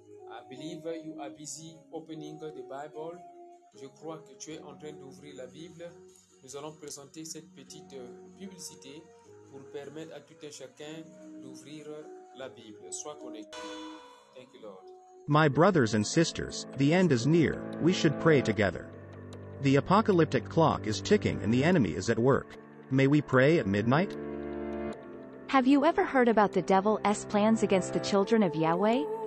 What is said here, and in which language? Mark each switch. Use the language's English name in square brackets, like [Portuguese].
[English] I believe you are busy opening the Bible. [French] Je crois que tu es en train d'ouvrir la Bible. Nous allons présenter cette petite publicité pour permettre à tout un chacun d'ouvrir la Bible. Sois connecté. [English] Thank you, Lord. My brothers and sisters, the end is near. We should pray together. The apocalyptic clock is ticking and the enemy is at work. may we pray at midnight? Have you ever heard about the devil's plans against the children of Yahweh?